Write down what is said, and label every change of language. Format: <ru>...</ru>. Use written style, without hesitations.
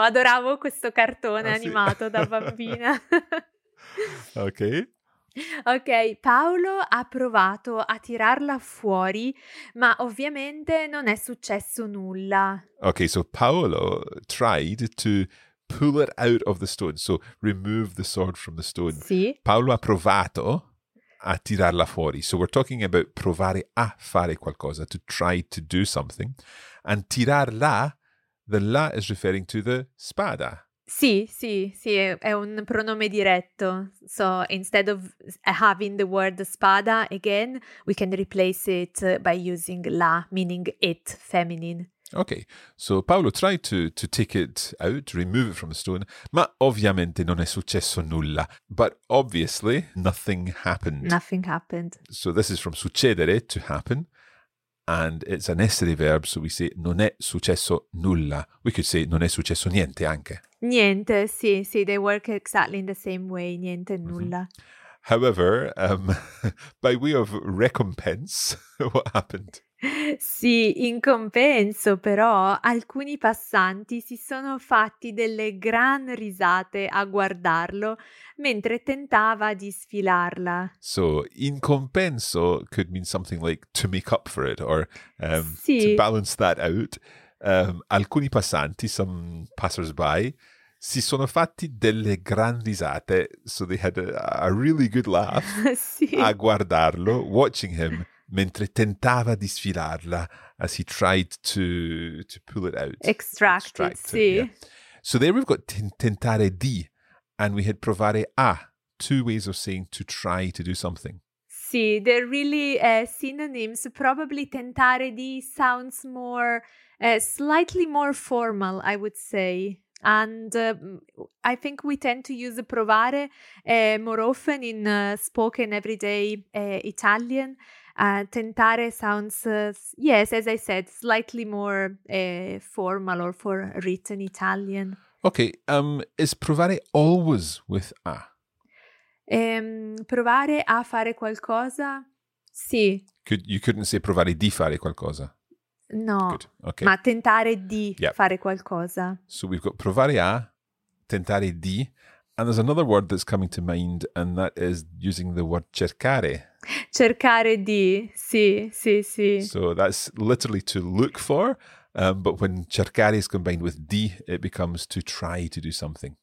<it>Adoravo questo cartone animato da bambina. Ok. Ok, Paolo ha provato a tirarla fuori, ma ovviamente non è successo nulla.</it> <en>Ok, so Paolo tried to pull it out of the stone, so remove the sword from the stone.</en> <it>Sì. Paolo ha provato a tirarla fuori.</it> <en>So we're talking about</en> <it>provare a fare qualcosa,</it> <en>to try to do something. And tirarla, the la is referring to the spada.</en> <it>Sì, sì, sì, è un pronome diretto.</it> <en>So instead of having the word spada again, we can replace it by using la, meaning it, feminine. Okay, so Paolo tried to take it out, to remove it from the stone,</en> <it>ma ovviamente non è successo nulla.</it> <en>But obviously, nothing happened. Nothing happened. So this is from succedere, to happen, and it's an essere verb, so we say</en> <it>non è successo nulla.</it> <en>We could say</en> <it>non è successo niente anche.</it> <en>Niente, sì, sì, they work exactly in the same way, niente, nulla. Mm-hmm. However, by way of recompense, what happened?</en> <it>Sì, in compenso però alcuni passanti si sono fatti delle gran risate a guardarlo mentre tentava di sfilarla.</it> <en>So, in compenso could mean something like to make up for it or</en> <it>sì.</it> <en>To balance that out.</en> <it>Alcuni passanti,</it> <en>some passersby,</en> <it>si sono fatti delle gran risate.</it> <en>So they had a really good laugh</en> <it>sì. A guardarlo,</it> <en>watching him.</en> <it>Mentre tentava di sfilarla,</it> <en>as he tried to pull it out. Extract it, sì. Yeah. So there we've got tentare di, and we had provare a, two ways of saying to try to do something. Sì, they're really synonyms. Probably tentare di sounds more, slightly more formal, I would say. And I think we tend to use provare more often in spoken everyday Italian. Tentare sounds, yes, as I said, slightly more formal or for written Italian. Okay, is provare always with a?</en> <it>Provare a fare qualcosa, sì.</it> <en>You couldn't say</en> <it>provare di fare qualcosa?</it> <en>No, okay.</en> <it>Ma tentare di fare qualcosa.</it> <en>So we've got provare a, tentare di, and there's another word that's coming to mind, and that is using the word cercare.</en> <it>Cercare di, sì, sì, sì.</it> <en>So that's literally to look for, but when cercare is combined with di, it becomes to try to do something.</en>